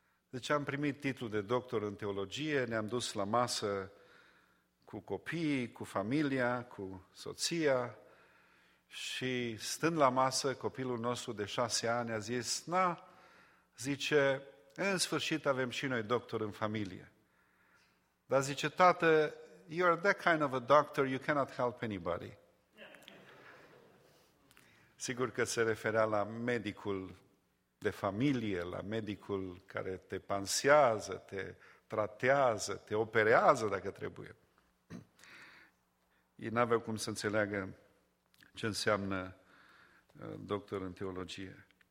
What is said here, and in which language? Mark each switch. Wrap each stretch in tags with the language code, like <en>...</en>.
<ro>Deci am primit titlul de doctor în teologie, ne-am dus la masă cu copiii, cu familia, cu soția, și stând la masă, copilul nostru de 6 ani a zis: na, zice, în sfârșit avem și noi doctor în familie. Dar zice: tată,</ro> <en>you are that kind of a doctor, you cannot help anybody.</en> <ro>Sigur că se referea la medicul de familie, la medicul care te pansează, te tratează, te operează dacă trebuie. Ei n-aveau cum să înțeleagă ce înseamnă doctor în teologie.</ro>